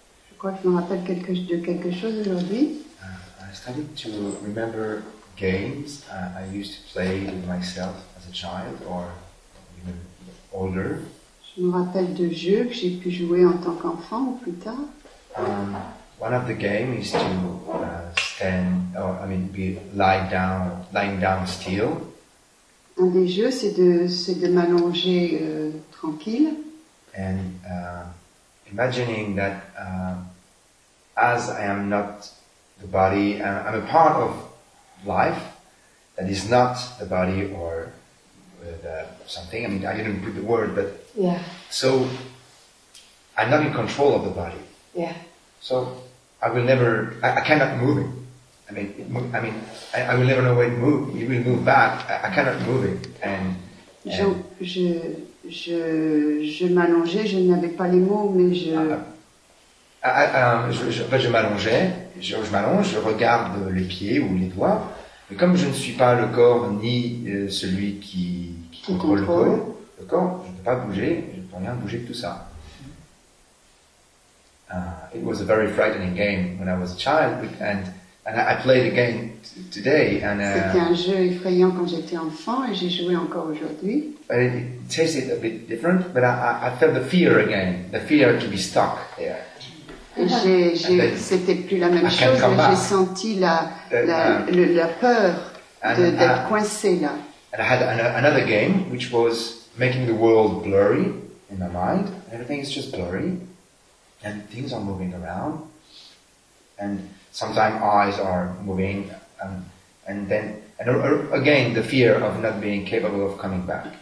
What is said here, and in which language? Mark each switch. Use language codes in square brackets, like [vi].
[fr] Je crois que je me rappelle quelque chose aujourd'hui. [en] I started to remember games I used to play with myself as a child or even older. [fr] Je me rappelle de jeux que j'ai pu jouer en tant qu'enfant ou plus tard. [en] One of the games is to lying down still. [fr] Un des jeux c'est de m'allonger tranquille. [en] And imagining that as I am not the body, I'm a part of life that is not the body or something. I mean, I didn't put the word, but yeah. So I'm not in control of the body. Yeah. So I will never. I cannot move it. I will never know when it move. It will move back. I cannot move it. And [fr] je m'allongeais. Je n'avais pas les mots, mais je. Je m'allongeais, je m'allonge, je regarde les pieds ou les doigts, mais comme je ne suis pas le corps ni celui qui contrôle le corps, je ne peux pas bouger, je ne peux rien bouger de tout ça. [en] It was a very frightening game when I was a child, and I played again today. [fr] C'était un jeu effrayant quand j'étais enfant et j'ai joué encore aujourd'hui. [en] It tasted a bit different, but I felt the fear again, the fear to be stuck there. [fr] J'ai, c'était plus la même chose, mais j'ai senti la peur d'être coincé là. [en] And I had another game, which was making the world blurry in my mind. Everything is just blurry, and things are moving around, and sometimes eyes are moving, and then again the fear of not being capable of coming back.